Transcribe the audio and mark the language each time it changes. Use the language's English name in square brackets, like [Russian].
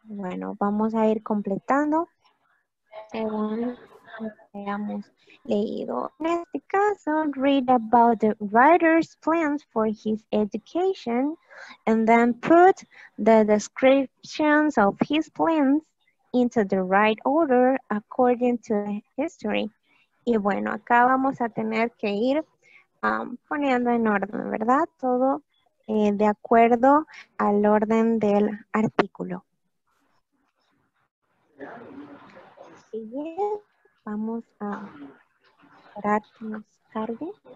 [Spanish] Bueno, vamos a ir completando según hayamos leído. En este caso, [English] read about the writer's plans for his education and then put the descriptions of his plans into the right order according to history. [Spanish] Y bueno, acá vamos a tener que ir poniendo en orden, ¿verdad? Todo de acuerdo al orden del artículo. Y bien, vamos a esperar que nos cargue.